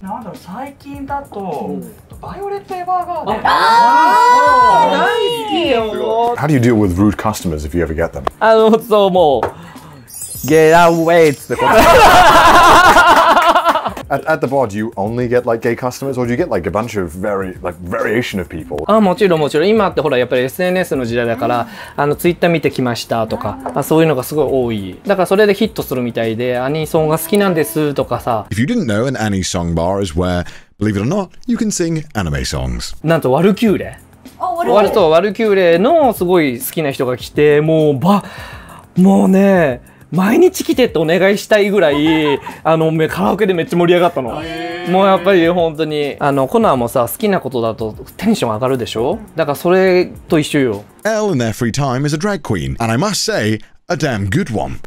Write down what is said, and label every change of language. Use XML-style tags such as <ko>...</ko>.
<en>How do you deal with rude customers if you ever get them? I don't know more. Get away! At the bar, do you only get like gay customers, or do you get like a bunch of very like variation of people?</en> <ja>あ、もちろんもちろん。今ってほらやっぱり SNS の時代だから、あのツイッター見てきましたとか、まあ、そういうのがすごい多い。だからそれでヒットするみたいで、アニソンが好きなんですとかさ。</ja> <en>If you didn't know, an Anison bar is where, believe it or not, you can sing anime songs.</en> <ja>なんとワルキューレ。ワルキューレのすごい好きな人が来て、もうば、もうね。毎日来てってお願いしたいぐらいあのカラオケでめっちゃ盛り上がったの。もうやっぱり本当にあのコナーもさ好きなことだとテンション上がるでしょ。だからそれと一緒よ。</ja> <en>L in their free time is a drag queen and I must say a damn good one.</en>